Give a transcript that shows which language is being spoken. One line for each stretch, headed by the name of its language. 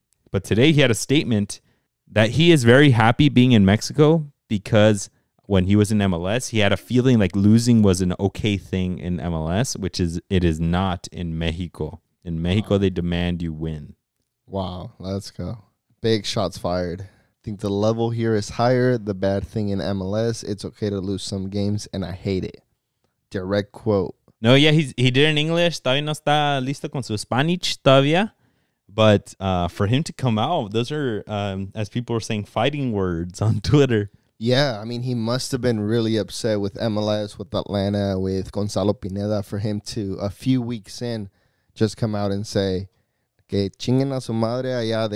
English: But today he had a statement that he is very happy being in Mexico because when he was in MLS, he had a feeling like losing was an okay thing in MLS, which is it is not in Mexico. In Mexico, wow. They demand you win. Wow, let's go. Big shots fired. I think the level here is higher. The bad thing in MLS, it's okay to lose some games, and I hate it. Direct quote. No, yeah, he did in English.
Spanish: Todavía no está listo con su Spanish todavía.
English: But for him to come out, those are, as people are saying, fighting words on Twitter. Yeah, I mean, he must have been really upset with MLS, with Atlanta, with Gonzalo Pineda, for him to, a few weeks in, just come out and say,
Spanish: que chinguen a su madre allá.